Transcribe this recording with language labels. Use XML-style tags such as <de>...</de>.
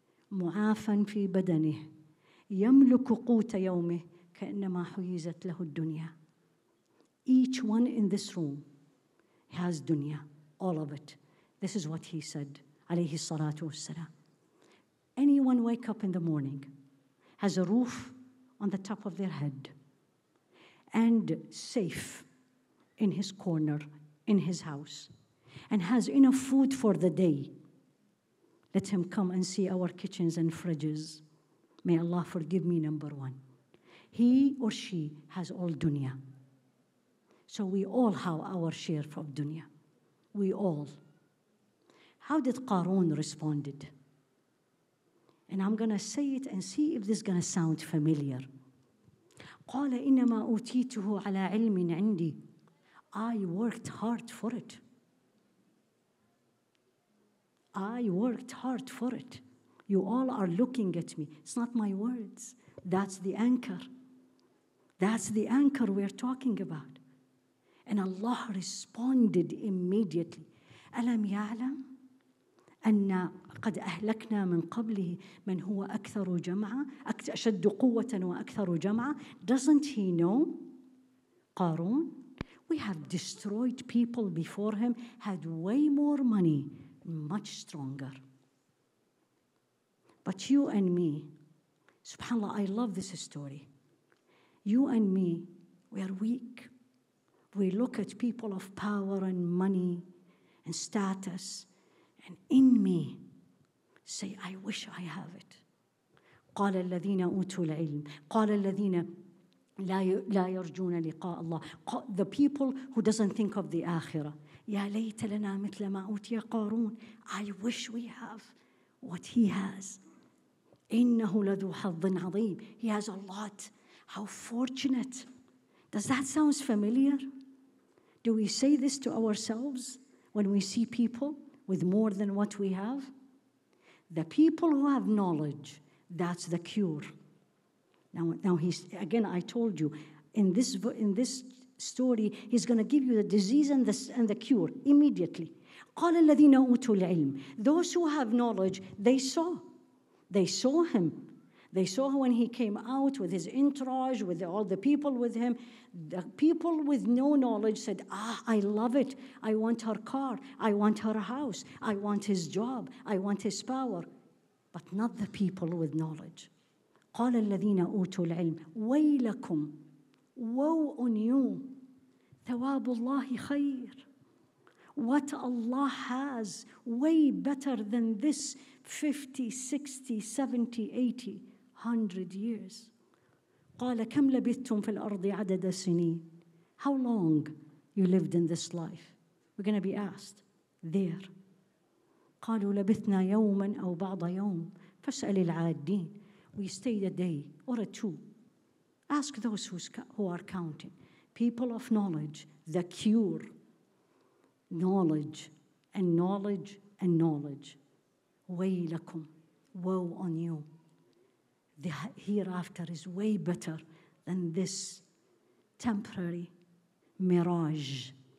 <ar>معافا في بدنه يملك قوت يومه كأنما حيزت له الدنيا.</ar> <en>Each one in this room has dunya, all of it. This is what he said,</en> <ar>عليه الصلاة والسلام.</ar> <en>Anyone wake up in the morning has a roof on the top of their head and safe in his corner, in his house, and has enough food for the day. Let him come and see our kitchens and fridges. May Allah forgive me, number one. He or she has all dunya. So we all have our share of dunya. We all. How did Qarun responded? And I'm going to say it and see if this is going to sound familiar.</en> <ar>قال إنما أوتيته على علم عندي.</ar> <en>I worked hard for it. I worked hard for it. You all are looking at me. It's not my words. That's the anchor. That's the anchor we're talking about. And Allah responded immediately.</en> <ar>ألم يعلم أن قد أهلكنا من قبله من هو أكثر جمعا أشد قوة وأكثر جمعا.</ar> <en>Doesn't he know, قارون, we have destroyed people before him, had way more money, much stronger. But you and me, subhanAllah, I love this story. You and me, we are weak. We look at people of power and money and status, and in me say, I wish I have it.</en> <ar>قال الذين أوتوا العلم قال الذين لا يرجون لقاء الله.</ar> <en>The people who doesn't think of the akhirah.</en> <ar>يا ليت لنا مثل ما أوتي قارون.</ar> <en>I wish we have what he has.</en> <ar>إنه لذو حظ عظيم.</ar> <en>He has a lot. How fortunate. Does that sound familiar? Do we say this to ourselves when we see people with more than what we have? The people who have knowledge, that's the cure. Now he's, again, I told you, in this story, he's going to give you the disease and the cure immediately.</en> <ar>قال الذين أوتوا العلم.</ar> <en>Those who have knowledge, they saw. They saw him. They saw when he came out with his entourage, with all the people with him. The people with no knowledge said, ah, I love it. I want her car. I want her house. I want his job. I want his power. But not the people with knowledge.</en> <ar>قال الذين أوتوا العلم ويلكم</ar> <en>woe on you.</en> <ar>ثواب الله خير.</ar> <en>What Allah has way better than this 50, 60, 70, 80. 100 years.</en> <ar>قال كم لبثتم في الأرض عدد سنين.</ar> <en>How long you lived in this life? We're going to be asked there.</en> <ar>قالوا لبثنا يوما أو بعض يوم. فاسأل العادين.</ar> <en>We stayed a day or a two. Ask those who are counting. People of knowledge, the cure. Knowledge and knowledge and knowledge. ويلكم. Woe on you. The hereafter is way better than this temporary mirage.</en>